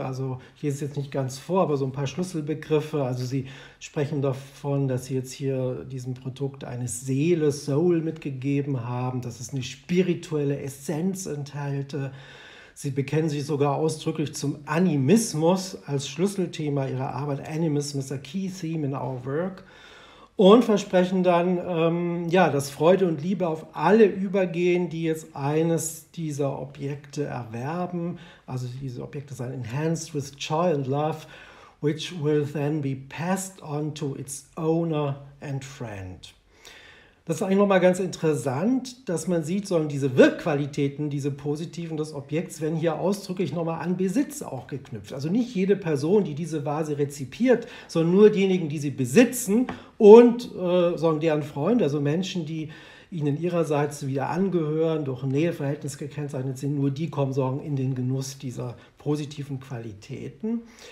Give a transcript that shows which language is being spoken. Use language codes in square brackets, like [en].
[de] Also hier ist jetzt nicht ganz vor, aber so ein paar Schlüsselbegriffe. Also sie sprechen davon, dass sie jetzt hier diesem Produkt eine Seele, Soul mitgegeben haben, dass es eine spirituelle Essenz enthalte. Sie bekennen sich sogar ausdrücklich zum Animismus als Schlüsselthema ihrer Arbeit. [en] Animism is a key theme in our work. [de] Und versprechen dann, ja, dass Freude und Liebe auf alle übergehen, die jetzt eines dieser Objekte erwerben. Also diese Objekte seien [en] enhanced with joy and love, which will then be passed on to its owner and friend. [de] Das ist eigentlich nochmal ganz interessant, dass man sieht, sollen diese Wirkqualitäten, diese positiven des Objekts, werden hier ausdrücklich nochmal an Besitz auch geknüpft. Also nicht jede Person, die diese Vase rezipiert, sondern nur diejenigen, die sie besitzen und sondern deren Freunde, also Menschen, die ihnen ihrerseits wieder angehören, durch ein Näheverhältnis gekennzeichnet sind, nur die kommen sorgen in den Genuss dieser positiven Qualitäten.